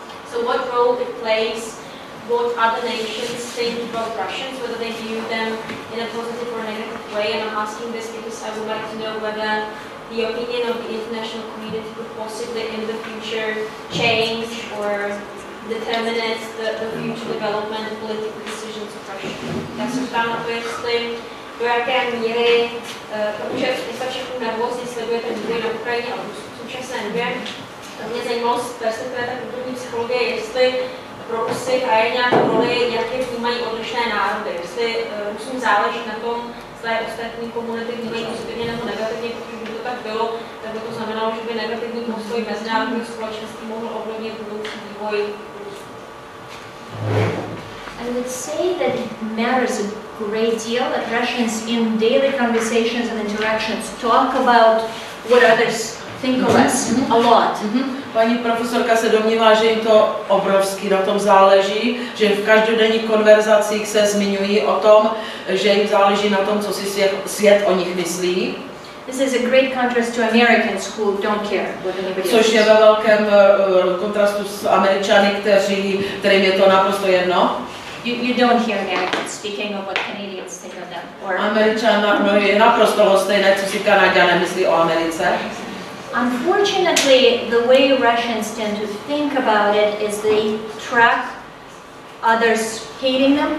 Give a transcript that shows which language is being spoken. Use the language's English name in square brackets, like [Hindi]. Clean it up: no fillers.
[English] So what role it plays, what other nations think about Russians, whether they view them in a positive or negative way. And I'm asking this because I would like to know whether the opinion of the international community could possibly in the future change or determine the future development and political decisions of Russia. That's a final question. [Czech] Do jaké míry, protože je to všechno nervoz, když sledujete vývoj na Ukrajině a v současné době, to mě zajímalo z perspektivy kulturní psychologie, jestli pro Rusy hraje nějakou roli, jak je vnímají odlišné národy, jestli Rusům záleží na tom, zda je ostatní komunity vnímají pozitivně nebo negativně, protože by to tak bylo, tak by to znamenalo, že by negativní postoj mezinárodních společností mohl ovlivnit budoucí vývoj Rusů. [English] I would say that it matters a great deal that Russians in daily conversations and interactions talk about what others think of us a lot. [Czech] Paní profesorka se domnívá, že jim to obrovsky na tom záleží, že v každodenních konverzacích se zmiňují o tom, že jim záleží na tom, co si svět o nich myslí. [English] This is a great contrast to Americans who don't care what anybody thinks. [Czech] Což je ve velkém kontrastu s Američany, kterým je to naprosto jedno. [English] You don't hear Americans speaking of what Canadians think of them. Or [Czech] Američana, no, je naprosto lhostejné, co si Kanaďané myslí o Americe. [English] Unfortunately, the way Russians tend to think about it is they track others hating them.